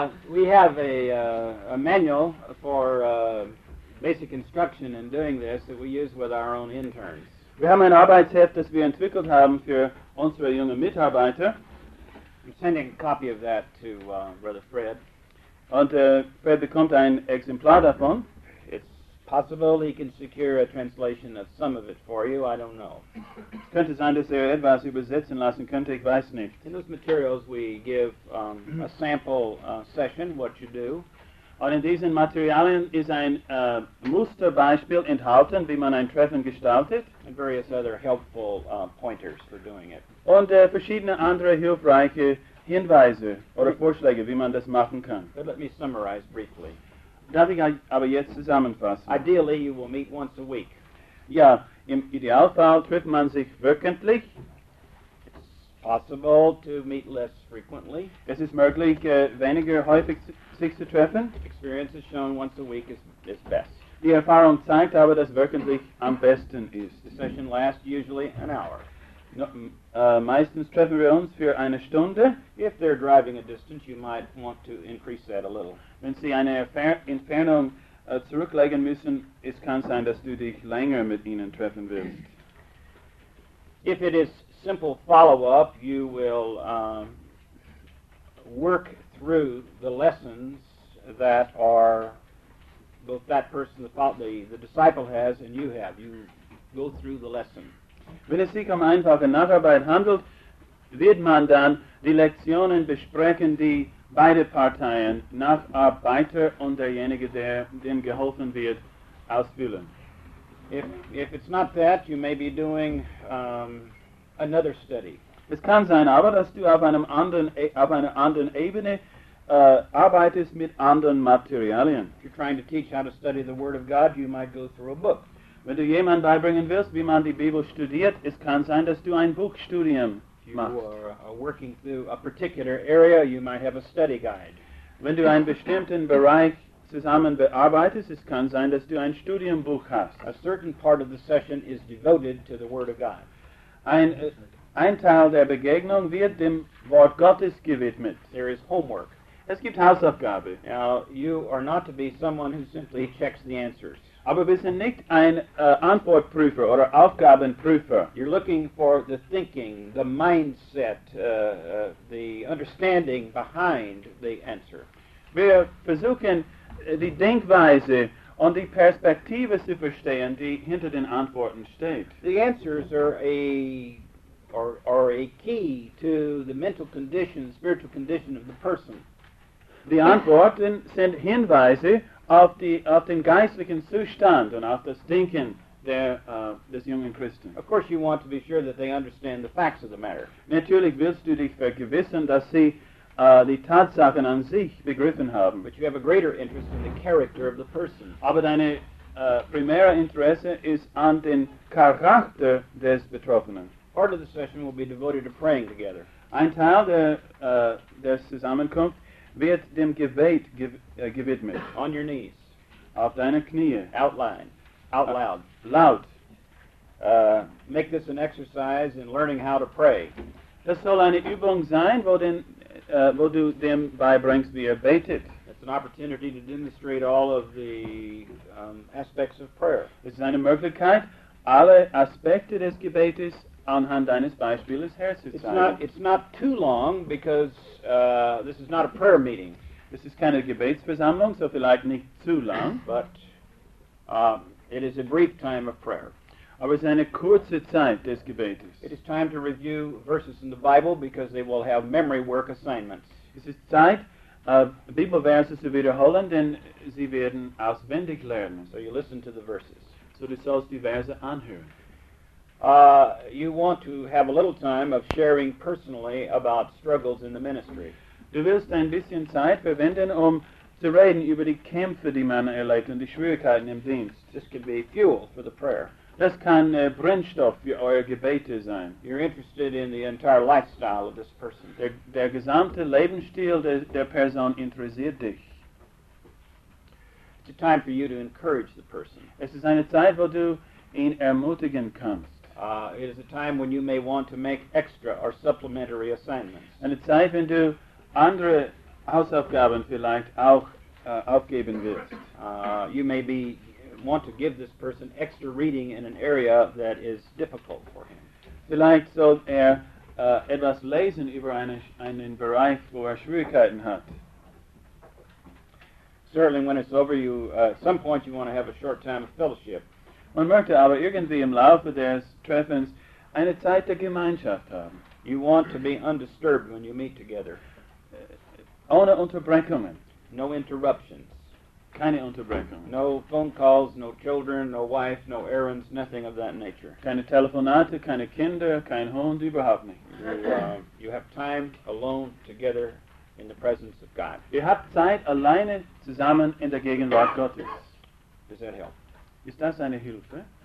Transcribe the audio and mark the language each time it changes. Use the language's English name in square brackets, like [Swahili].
[English] We have a manual for basic instruction in doing this that we use with our own interns. [German] Wir haben ein Arbeitsheft, das wir entwickelt haben für unsere jungen Mitarbeiter. [English] I'm sending a copy of that to Brother Fred. [German] Und Fred bekommt ein Exemplar davon. [English] It's possible he can secure a translation of some of it for you. I don't know. [German] Könnte sein, dass er etwas übersetzen lassen könnte. Ich weiß nicht. [English] In those materials, we give a sample session, what you do. [German] Und in diesen Materialien ist ein Musterbeispiel enthalten, wie man ein Treffen gestaltet. [English] And various other helpful pointers for doing it. [German] Und verschiedene andere hilfreiche Hinweise oder Vorschläge, wie man das machen kann. [English] But let me summarize briefly. [German] Darf ich aber jetzt zusammenfassen? [English] Ideally, you will meet once a week. [German] Ja, im Idealfall trifft man sich wöchentlich. [English] It's possible to meet less frequently. [German] Es ist möglich, weniger häufig sich zu treffen. [English] Experience has shown once a week is best. [German] Die Erfahrung zeigt aber, dass wöchentlich am besten ist. [English] The session lasts usually an hour. [German] No, meistens treffen wir uns für eine Stunde. [English] If they're driving a distance, you might want to increase that a little. [German] Wenn sie eine Entfernung zurücklegen müssen, es kann sein, dass du dich länger mit ihnen treffen willst. [English] If it is simple follow-up, you will work through the lessons that are both that person, the disciple has, and you have. You go through the lesson. [German] Wenn es sich um einfache Nacharbeit handelt, wird man dann die Lektionen besprechen, die beide Parteien, Nacharbeiter und derjenige, der dem geholfen wird, ausfüllen. [English] If it's not that, you may be doing another study. [German] Es kann sein aber, dass du auf einer anderen Ebene arbeitest mit anderen Materialien. [English] If you're trying to teach how to study the Word of God, you might go through a book. [German] Wenn du jemandem beibringen willst, wie man die Bibel studiert, es kann sein, dass du ein Buchstudium machst. [English] If you are working through a particular area, you might have a study guide. [German] Wenn du einen bestimmten Bereich zusammen bearbeitest, es kann sein, dass du ein Studienbuch hast. [English] A certain part of the session is devoted to the Word of God. [German] Ein Teil der Begegnung wird dem Wort Gottes gewidmet. [English] There is homework. [German] Es gibt Hausaufgabe. [English] Now, you are not to be someone who simply checks the answers. [German] Aber wir sind nicht ein Antwortprüfer oder Aufgabenprüfer. [English] You're looking for the thinking, the mindset, the understanding behind the answer. [German] Wir versuchen, die Denkweise und die Perspektive zu verstehen, die hinter den Antworten steht. [English] The answers are a key to the mental condition, spiritual condition of the person. [German] Die Antworten sind Hinweise auf den geistlichen Zustand und auf das Denken des jungen Christen. [English] Of course you want to be sure that they understand the facts of the matter. [German] Natürlich willst du dich vergewissern, dass sie die Tatsachen an sich begriffen haben. [English] But you have a greater interest in the character of the person. [German] Aber deine primäre Interesse ist an den Charakter des Betroffenen. [English] Part of the session will be devoted to praying together. [German] Ein Teil der Zusammenkunft wird dem Gebet gewidmet. [English] On your knees. [German] Auf deine Knie. [English] Outline. Out loud. [German] Laut. [English] Make this an exercise in learning how to pray. [German] Das soll eine Übung sein, wo du dem beibringst, wie er betet. [English] It's an opportunity to demonstrate all of the aspects of prayer. [German] Es ist eine Möglichkeit, alle Aspekte des Gebetes anhand deines Beispiels herzuzeigen. [English] It's not too long, because this is not a prayer meeting. This is kind of a [German] Gebetsversammlung, so vielleicht nicht [English] too long. But it is a brief time of prayer. [German] Aber es ist eine kurze Zeit des Gebetes. [English] It is time to review verses in the Bible, because they will have memory work assignments. [German] Es ist Zeit, Bibelverse zu wiederholen, denn sie werden auswendig lernen. [English] So you listen to the verses. [German] So du sollst die Verse anhören. [English] You want to have a little time of sharing personally about struggles in the ministry. [German] Du willst ein bisschen Zeit verwenden, zu reden über die Kämpfe, die man erlebt, und die Schwierigkeiten im Dienst. [English] This could be fuel for the prayer. [German] Das kann Brennstoff für eure Gebete sein. [English] You're interested in the entire lifestyle of this person. [German] Der gesamte Lebensstil der Person interessiert dich. [English] It's a time for you to encourage the person. [German] Es ist eine Zeit, wo du ihn ermutigen kannst. [English] It is a time when you may want to make extra or supplementary assignments. [German] Eine Zeit, wenn du andere Hausaufgaben vielleicht auch aufgeben willst. [English] You may be want to give this person extra reading in an area that is difficult for him. [German] Vielleicht soll etwas lesen über einen Bereich, wo Schwierigkeiten hat. [English] Certainly, when it's over, you at some point you want to have a short time of fellowship. [German] Man möchte aber irgendwie im Laufe des Treffens eine Zeit der Gemeinschaft haben. [English] You want to be undisturbed when you meet together. [German] Ohne Unterbrechungen. [English] No interruptions. [German] Keine Unterbrechungen. [English] No phone calls, no children, no wife, no errands, nothing of that nature. [German] Keine Telefonate, keine Kinder, kein Hund, überhaupt nicht. [English] You have time alone together in the presence of God. [German] Ihr habt Zeit alleine zusammen in der Gegenwart Gottes. [English] Does that help? [German] Ist das eine Hilfe?